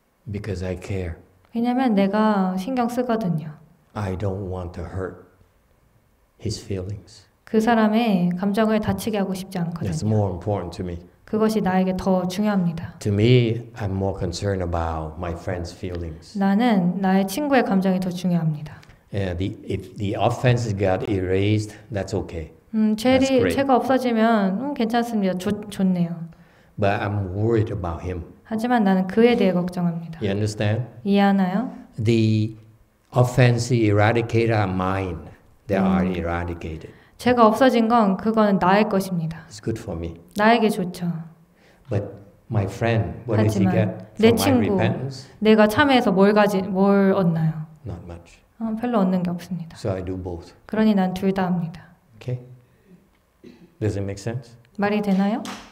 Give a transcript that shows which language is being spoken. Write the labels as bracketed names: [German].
[English] Because I care. [Korean] 왜냐면 내가 신경 쓰거든요. [English] I don't want to hurt his feelings. [Korean] 그 사람의 감정을 다치게 하고 싶지 않거든요. [English] That's more important to me. [Korean] 그것이 나에게 더 중요합니다. [English] To me, I'm more concerned about my friend's feelings. [Korean] 나는 나의 친구의 감정이 더 중요합니다. [English] Yeah, if the offense got erased, that's okay. [Korean] 죄를 죄가 없어지면 괜찮습니다. 좋네요. [English] But I'm worried about him. [Korean] 하지만 나는 그에 대해 걱정합니다. [English] You understand? [Korean] 이해하나요? [English] The offense eradicated are mine. They are eradicated. [Korean] 죄가 없어진 건 그거는 나의 것입니다. [English] It's good for me. [Korean] 나에게 좋죠. [English] But my friend, what does he get from my repentance? [Korean] 내 친구, 내가 참회해서 뭘 얻나요? [English] Not much. [Korean] 별로 얻는 게 없습니다. [English] So I do both. [Korean] 그러니 난 둘 다 합니다. [English] Okay. Does it make sense? [Korean] 말이 되나요?